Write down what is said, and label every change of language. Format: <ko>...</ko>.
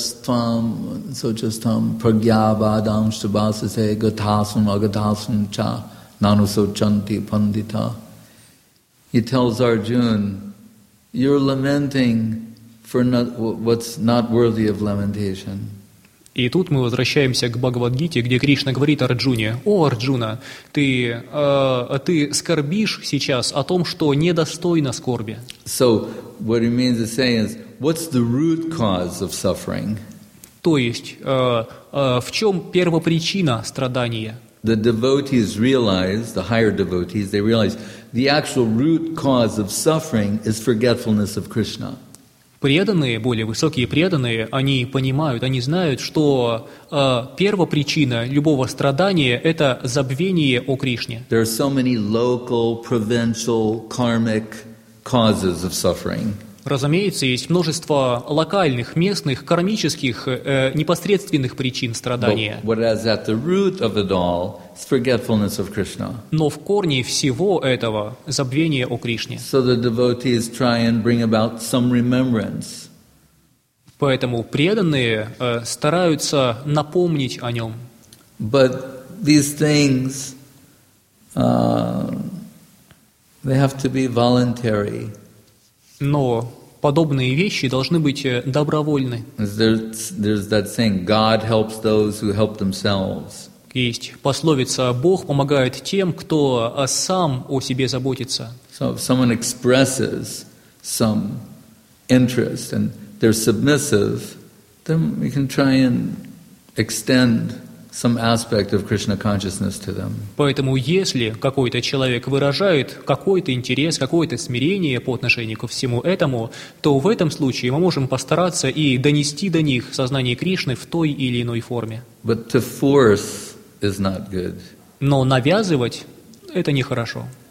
<sa>Asochastvam pragyabhadam shubhasase gathasam agathasam cha nanusochanti pandita.</sa> <en>He tells Arjuna, you're lamenting for not, what's not worthy of lamentation.</en> <ru>И тут мы возвращаемся к Бхагавад-гите, где Кришна говорит Арджуне: «О, Арджуна, ты скорбишь сейчас о том, что недостойно скорби».</ru> <en>So what he means to say is, what's the root cause of suffering?</en> <ru>То есть, в чем первопричина страдания?</ru> <en>The devotees realize, the higher devotees, they realize the actual root cause of suffering is forgetfulness of Krishna.</en> <ru>Преданные, более высокие преданные, они понимают, они знают, что первопричина любого страдания – это забвение о Кришне.</ru> <en>There are so many local, provincial, karmic causes of suffering.</en> <ru>Разумеется, есть множество локальных, местных, кармических, непосредственных причин страдания.</ru> <en>Whereas at the root of it all is forgetfulness of Krishna.</en> <ru>Но в корне всего этого забвение о Кришне.</ru> <en>So the devotees try and bring about some remembrance.</en> <ru>Поэтому преданные стараются напомнить о нем.</ru> <en>But these things, they have to be voluntary.</en> <ru>Но подобные вещи должны быть добровольны.</ru> <en>There's that saying, God helps those who help themselves.</en> <ru>Есть пословица, Бог помогает тем, кто сам о себе заботится.</ru> <en>So if someone expresses some interest and they're submissive, then we can try and extend some aspect of Krishna consciousness to them.</en> <ru>Поэтому если какой-то человек выражает какой-то интерес, какое-то смирение по отношению ко всему этому, то в этом случае мы можем постараться и донести до них сознание Кришны в той или иной форме.</ru> <en>But to force is not good.</en> <ru>Но навязывать – это нехорошо.</ru>